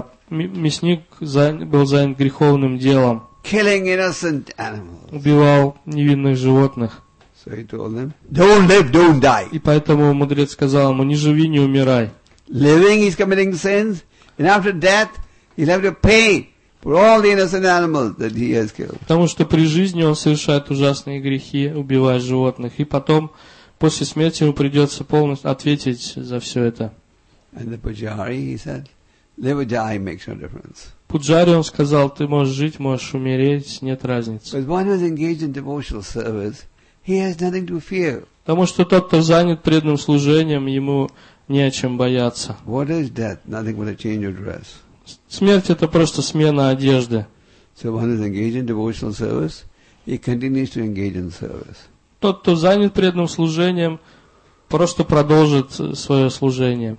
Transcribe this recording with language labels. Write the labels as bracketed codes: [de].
[ru] Мясник был занят греховным делом. [en] Killing innocent animals. [ru] Убивал невинных животных. [en] So he told them, "Don't live, don't die." [ru] И поэтому мудрец сказал ему: "Не живи, не умирай." [en] Living, he's committing sins, and after death, he'll have to pay for all the innocent animals that he has killed. [ru] Потому что при жизни он совершает ужасные грехи, убивая животных, и потом после смерти ему придется полностью ответить за все это. [en] And the pujari, he said, "Live or die makes no difference." [ru] Пуджари, он сказал, ты можешь жить, можешь умереть, нет разницы. [en] But one who is engaged in devotional service, he has nothing to fear. [ru] Потому что тот, кто занят преданным служением, ему не о чем бояться. [en] What is death? Nothing but a change of dress. [ru] Смерть это просто смена одежды. [en] So one who is engaged in devotional service, he continues to engage in service. [ru] Тот, кто занят преданным служением, просто продолжит свое служение